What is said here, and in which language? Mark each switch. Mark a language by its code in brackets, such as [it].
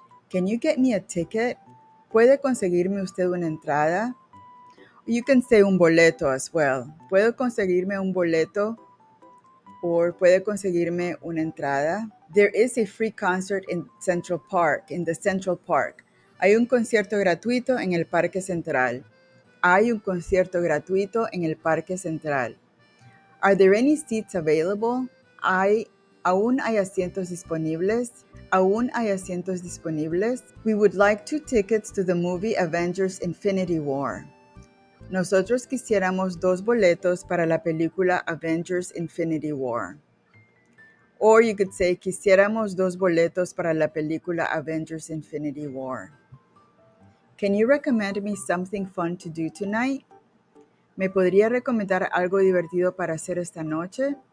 [en] Can you get me a ticket? [es] ¿Puede conseguirme usted una entrada? [en] You can say un boleto as well. [es] ¿Puedo conseguirme un boleto? Or ¿puede conseguirme una entrada? [en] There is a free concert in Central Park, in the Central Park. [es] Hay un concierto gratuito en el Parque Central. Hay un concierto gratuito en el Parque Central. [en] Are there any seats available? [es] ¿Aún hay asientos disponibles? ¿Aún hay asientos disponibles? [en] We would like 2 tickets to the movie Avengers Infinity War. [es] Nosotros quisiéramos 2 boletos para la película Avengers Infinity War. [en] Or you could say, [es] quisiéramos 2 boletos para la película Avengers Infinity War. [en] Can you recommend me something fun to do tonight? [es] ¿Me podría recomendar algo divertido para hacer esta noche?